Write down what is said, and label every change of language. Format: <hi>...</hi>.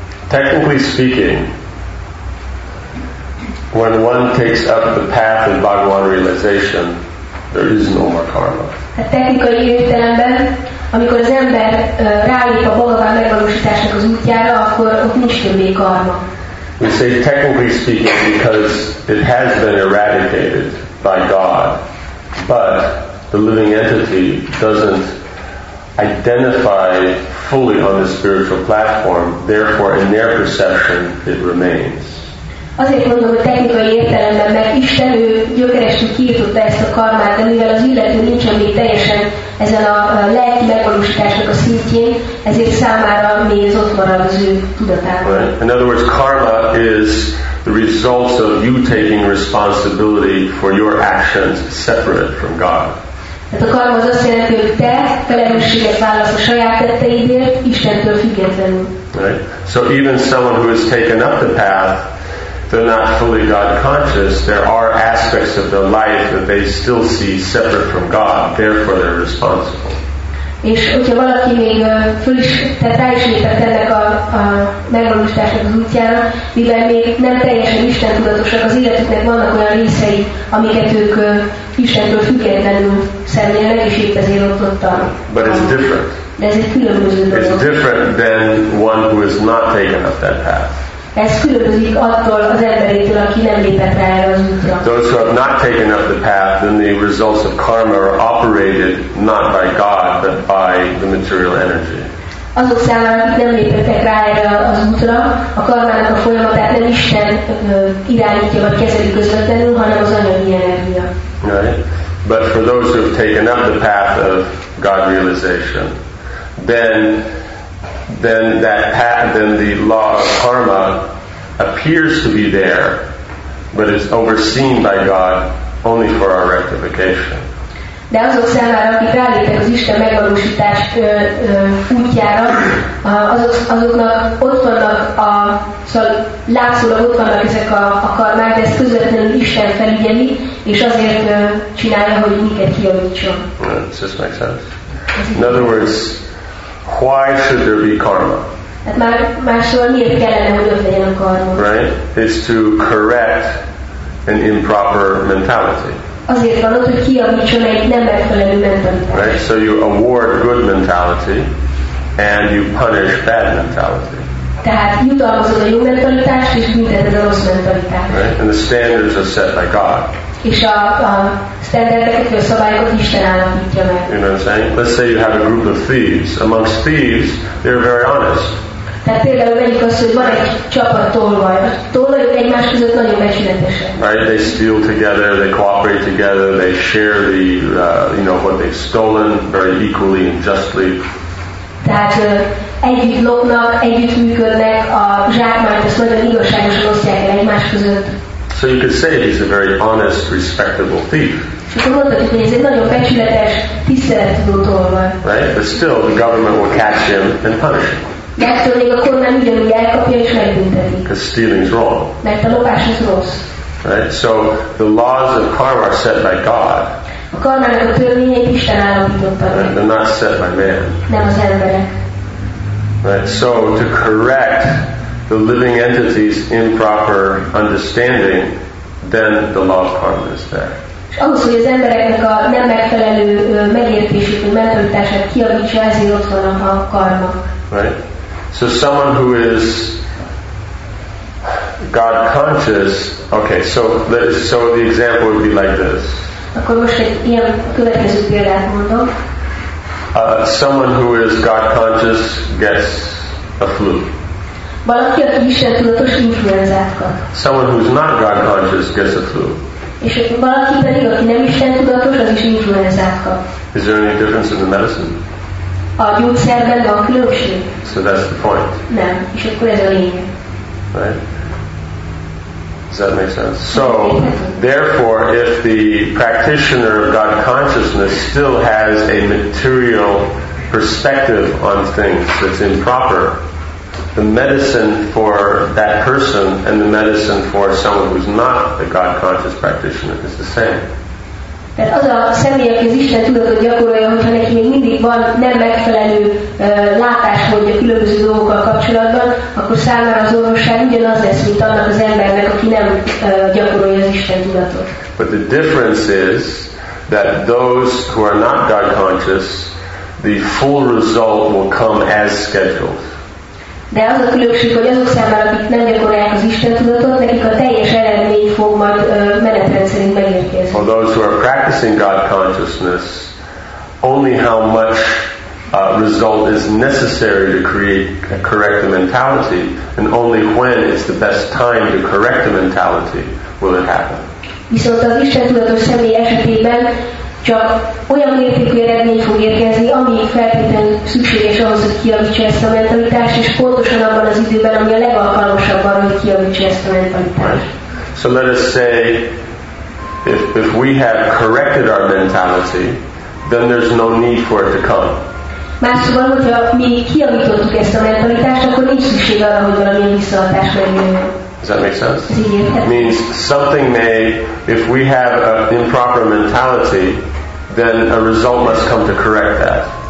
<en>Technically speaking, when one takes up the path of Bhagavan realization, there is no more karma.</en> <hu>A technikai értelemben, amikor az ember rálép a Bhagavan megvalósításnak az útjára, akkor ott nincs többé karma.</hu> <en>We say technically speaking because it has been eradicated by God, but the living entity doesn't identify fully on the spiritual platform, therefore in their perception it remains.</en> <hu>Azért mondom a technikai értelemben, mert Isten ő gyökeresen kiirtotta ezt a karmát, de mivel az illető nincsen még teljesen ezen a lelki megvalósításnak a szintjén, ezért számára még ez ott marad az ő tudatában.</hu> <en>Right. In other words, karma is the results of you taking responsibility for your actions separate from God.</en> <hu>Tehát a karma az azt jelenti, hogy te felelősséget válasz a saját tetteidért, Istentől függetlenül.</hu> <en>Right. So even someone who has taken up the path, they're not fully God conscious, there are aspects of their life that they still see separate from God, therefore they're responsible.</en> <hu>És hogyha valaki még föl is, tehát rá is lépett ennek a megvalósításnak az útjára, mivel még nem teljesen Isten tudatosak, az életüknek vannak olyan részei, amiket ők Istentől függetlenül szemlélnek, és épp ezért ott</hu> <en>But it's different.</en> <hu>De ez egy különböző dolog.</hu> <en>It's different than one who has not taken up that path.</en> <hu>Ez különbözik attól az emberétől, aki nem lépett rá erre az útra.</hu> <en>Those who have not taken up the path, then the results of karma are operated not by God, but by the material energy.</en> <hu>Azok számára, akik nem lépettek rá erre az útra, a karmának a folyamatát nem Isten irányítja vagy kezeli közvetlenül, hanem az anyagi energia.</hu> <en>Right. But for those who have taken up the path of God realization, then that path, then the law of karma appears to be there, but is overseen by God only for our rectification.</en> <hu>De azok számára, akik ráléptek az Isten megvalósítás útjára, azoknak ott vannak a, szóval látszólag ott vannak ezek a karmák, de ezt közvetlenül Isten felügyeli, és azért csinálja, hogy minket kijavítson.</hu> <en>Does this make sense? In other words, why should there be karma?</en> <hu>Hát máshol miért kellene, hogy ott legyen a karma?</hu> <en>Right? It's to correct an improper mentality.</en> <hu>Azért van ott, hogy kijavítson egy nem megfelelő mentalitást.</hu> <en>Right? So you award good mentality and you punish bad mentality.</en> <hu>Tehát jutalmazod a jó mentalitást és büntetted a rossz mentalitást.</hu> <en>Right? And the standards are set by God.</en> <hu>És a standardeket, a szabályokat Isten állapítja meg.</hu> <en>You know what I'm saying? Let's say you have a group of thieves. Amongst thieves, they're very honest.</en> <hu>Tehát például vegyük azt, hogy van egy csapat tolvaj. A tolvajok egymás között nagyon becsületesek.</hu> <en>Right? They steal together, they cooperate together, they share the, you know, what they've stolen very equally and justly.</en> <hu>Tehát együtt lopnak, együtt működnek, a zsákmányt azt nagyon igazságosan osztják el egymás között.</hu> <en>So you could say he's a very honest, respectable thief. Right? But still, the government will catch him and punish him. Because stealing is wrong. Right? So the laws of karma are set by God. Right? They're not set by man. Right? So to correct the living entity's improper understanding, then the law of karma is there.</en> <hu>És ahhoz, hogy az embereknek a nem megfelelő megértését, vagy mentalitását kialakítsa, ezért ott van a karma.</hu> <en>Right? So someone who is God conscious, okay, so the example would be like this.</en> <hu>Akkor most egy ilyen következő példát mondom.</hu> <en>Someone who is God conscious gets a flu.</en> <hu>Valaki, aki Isten tudatos, influenzát kap.</hu> <en>Someone who is not God conscious gets a flu.</en> <hu>És valaki pedig, aki nem Isten tudatos, az is influenzát kap.</hu> <en>Is there any difference in the medicine?</en> <hu>A gyógyszerben van különbség.</hu> <en>So that's the point.</en> <hu>Nem. És akkor ez a lényeg.</hu> <en>Right? Does that make sense? So, therefore, if the practitioner of God consciousness still has a material perspective on things that's improper, the medicine for that person and the medicine for someone who's not a God-conscious practitioner is the same.</en> <hu>Tehát az a személy, aki az Isten tudatot gyakorolja, hogyha neki még mindig van nem megfelelő látásmódja különböző dolgokkal kapcsolatban, akkor számára az orvosság ugyanaz lesz, mint annak az embernek, aki nem gyakorolja az Isten tudatot.</hu> <en>But the difference is that those who are not God conscious, the full result will come as scheduled.</en> <hu>De az a különbség, hogy azok számára, akik nem gyakorolják az Isten tudatot, nekik a teljes eredmény fog majd menetrend szerint megérkezni.</hu> <en>For those who are practicing God consciousness, only how much result is necessary to create a correct mentality, and only when it's the best time to correct the mentality will it happen.</en> <hu>Viszont az Isten tudatos személy esetében csak olyan mértékű eredmény fog érkezni, ami feltétlenül szükséges ahhoz, hogy kijavítsa ezt a mentalitást, és pontosan abban az időben, ami a legalkalmasabb arra, hogy kijavítsa ezt a mentalitást.</hu> <en>Right. So let us say, if we have corrected our mentality, then there's no need for it to come.</en> <hu>Másszóval, hogyha mi kialakítottuk ezt a mentalitást, akkor nincs szükség arra, hogy valami visszahatás legyen.</hu> <en>Does that make sense? It means something may, if we have an improper mentality, then a result must come to correct that.</en>